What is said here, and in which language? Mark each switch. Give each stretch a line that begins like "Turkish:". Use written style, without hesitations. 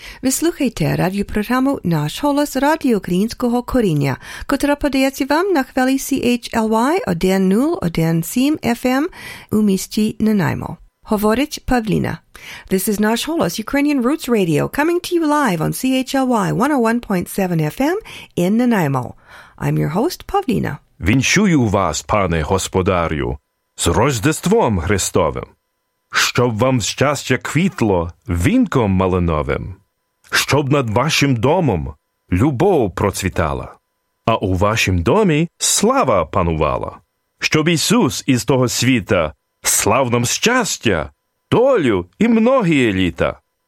Ukrainian: Слухайте радіопрограму «Наш голос» Радіо Українського коріння, котра подається вам на хвилі CHLY 101.7 FM у місті Нанаймо. Hovorich Pavlina.
English: This is Nash Holos, Ukrainian Roots Radio, coming to you live on CHLY 101.7 FM in Nanaimo. I'm your host, Pavlina.
Ukrainian: Віншую вас, пане господарю, з Рождеством Христовим, щоб вам щастя квітло вінком малиновим, щоб над вашим домом любов процвітала, а у вашім домі слава панувала, щоб Ісус із того світа слав нам щастя, долю і многі літа.